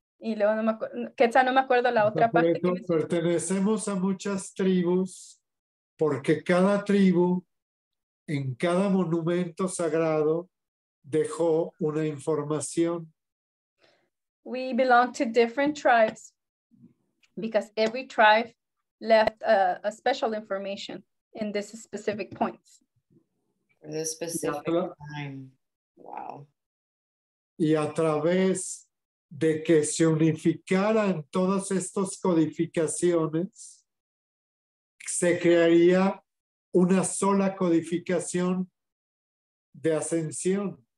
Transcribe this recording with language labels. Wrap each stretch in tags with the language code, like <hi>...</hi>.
<es>Y luego no me acuerdo, Quetza, no me acuerdo la otra parte. Pertenecemos a muchas tribus. Porque cada tribu, en cada monumento sagrado, dejó una información.</es> <en>We belong to different tribes because every tribe left a special information in this specific point. This specific time. Wow.</en> <es>Y a través de que se unificaran todas estas codificaciones, se crearía una sola codificación de ascensión.</es>